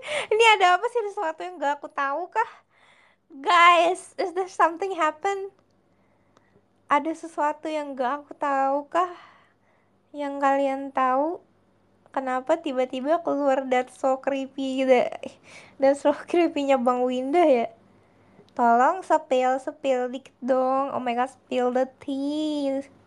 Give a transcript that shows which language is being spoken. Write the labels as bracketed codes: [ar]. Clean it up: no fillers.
[id] Ini ada apa sih? Ada sesuatu yang gak aku tahu kah? [en] Guys, is there something happen? [id] Ada sesuatu yang gak aku tahu kah? Yang kalian tahu? Kenapa tiba-tiba keluar [en] that's so creepy [id] gitu? [en] That's so creepy- [id] nya Bang Winda ya? Tolong spill, spill dikit dong. [en] Oh my god, spill the tea.